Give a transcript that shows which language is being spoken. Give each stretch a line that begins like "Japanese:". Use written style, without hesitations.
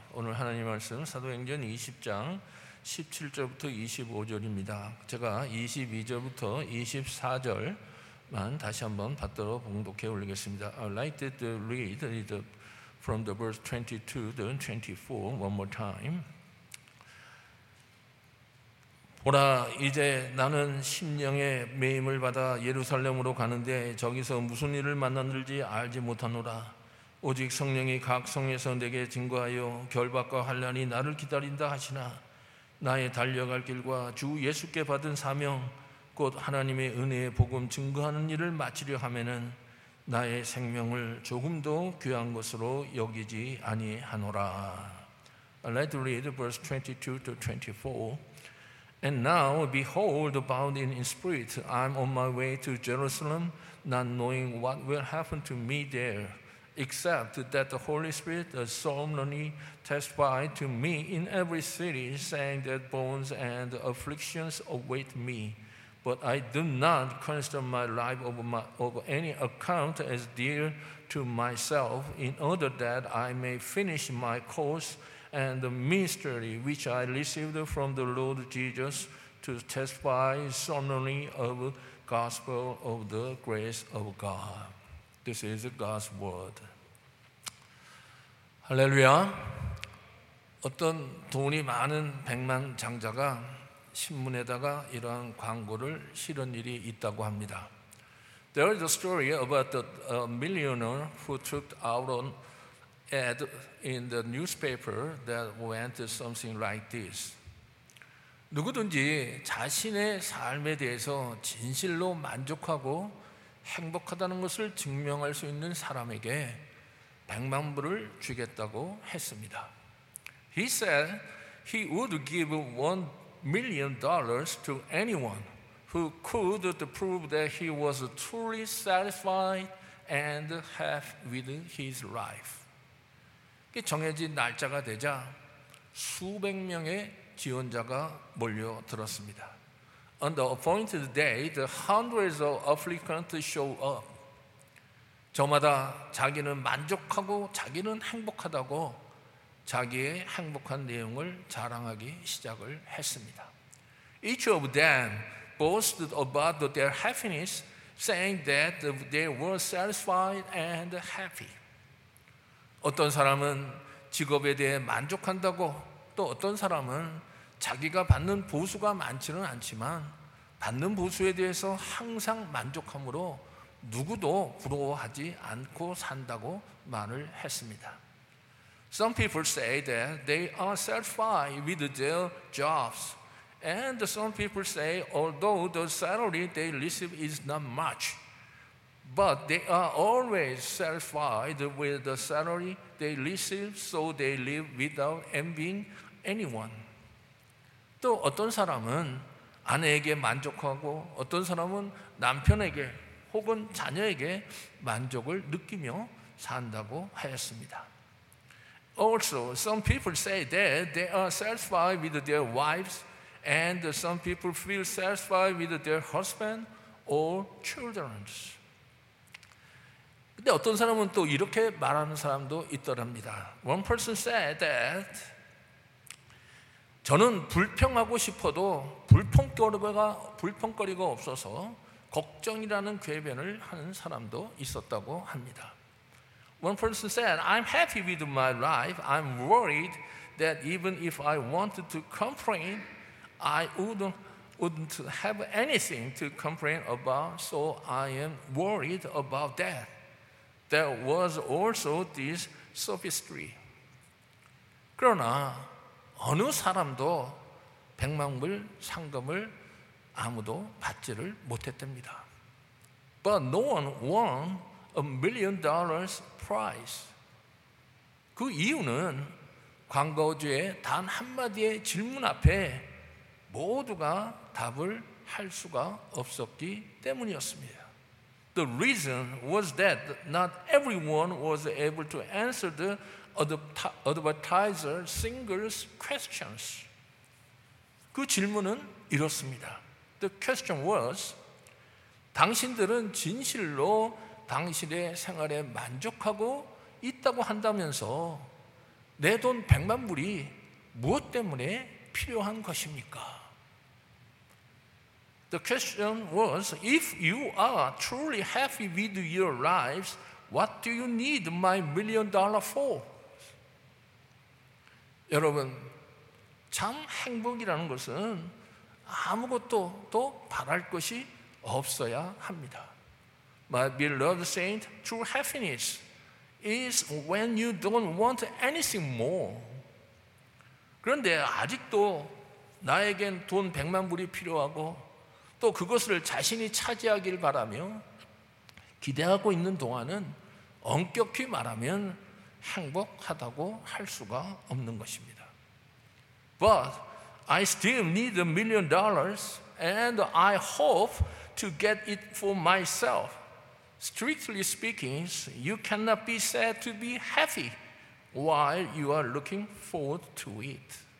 Korean: 오늘 하나님 말씀 사도행전 20장 17절부터 25절입니다. 제가 22절부터 24절만 다시 한번 받도록 봉독해 올리겠습니다.
English: I would like to read it from the verse 22 to 24 one more time.
Korean: 보라, 이제 나는 심령의 매임을 받아 예루살렘으로 가는데 저기서 무슨 일을 만났는지 알지 못하노라. 오직 성령이 각 성에서 내게 증거하여 결박과 환난이 나를 기다린다 하시나 나의 달려갈 길과 주 예수께 받은 사명 곧 하나님의 은혜의 복음 증거하는 일을 마치려 함에는 나의 생명을 조금도 귀한 것으로 여기지 아니하노라.
English: I'd like to read verse 22 to 24. And now, behold, bound in spirit, I'm on my way to Jerusalem, not knowing what will happen to me there, except that the Holy Spirit solemnly testified to me in every city, saying that bones and afflictions await me. But I do not consider my life of any account as dear to myself, in order that I may finish my course and the mystery which I received from the Lord Jesus to testify solemnly of the gospel of the grace of God. This is God's word.
Korean: 할렐루야. 어떤 돈이 많은 백만 장자가 신문에다가 이러한 광고를 실은 일이 있다고 합니다.
English: There is a story about a millionaire who took out on ad in the newspaper that went something like this.
Korean: 누구든지 자신의 삶에 대해서 진실로 만족하고 행복하다는 것을 증명할 수 있는 사람에게 100만 불을 주겠다고 했습니다.
English: He said he would give $1 million to anyone who could prove that he was truly satisfied and happy with his life.
Korean: 정해진 날짜가 되자 수백 명의 지원자가 몰려들었습니다.
English: On the appointed day, the hundreds of applicants show up.
Korean: 저마다 자기는 만족하고 자기는 행복하다고 자기의 행복한 내용을 자랑하기 시작을 했습니다.
English: Each of them boasted about their happiness, saying that they were satisfied and happy.
Korean: 어떤 사람은 직업에 대해 만족한다고 또 어떤 사람은 자기가 받는 보수가 많지는 않지만 받는 보수에 대해서 항상 만족함으로 누구도 부러워하지 않고 산다고 말을 했습니다.
English: Some people say that they are satisfied with their jobs. And some people say although the salary they receive is not much, but they are always satisfied with the salary they receive, so they live without envying anyone.
Korean: 또 어떤 사람은 아내에게 만족하고 어떤 사람은 남편에게 혹은 자녀에게 만족을 느끼며 산다고 하였습니다.
English: Also, some people say that they are satisfied with their wives, and some people feel satisfied with their husband or children.
Korean: 근데 어떤 사람은 또 이렇게 말하는 사람도 있더랍니다.
English: One person said that
Korean: 저는 불평하고 싶어도 불평거리가 없어서 걱정이라는 궤변을 하는 사람도 있었다고 합니다.
English: One person said, I'm happy with my life. I'm worried that even if I wanted to complain, I wouldn't have anything to complain about. So I am worried about that. There was also this sophistry.
Korean: 그러나 어느 사람도 백만불 상금을 아무도 받지를 못했답니다.
English: But no one won $1 million prize.
Korean: 그 이유는 광고주의 단 한마디의 질문 앞에 모두가 답을 할 수가 없었기 때문이었습니다.
English: The reason was that not everyone was able to answer the advertiser singer's questions.
Korean: 그 질문은 이렇습니다.
English: The question was,
Korean: 당신들은 진실로 당신의 생활에 만족하고 있다고 한다면서 내 돈 100만 불이 무엇 때문에 필요한 것입니까?
English: The question was, if you are truly happy with your lives, what do you need my $1 million for?
Korean: 여러분, 참 행복이라는 것은 아무것도 또 바랄 것이 없어야 합니다.
English: My beloved saint, true happiness is when you don't want anything more.
Korean: 그런데 아직도 나에겐 돈 100만 불이 필요하고 또 그것을 자신이 차지하길 바라며 기대하고 있는 동안은 엄격히 말하면 행복하다고 할 수가 없는 것입니다.
English: But I still need $1 million and I hope to get it for myself. Strictly speaking, you cannot be said to be happy while you are looking forward to it.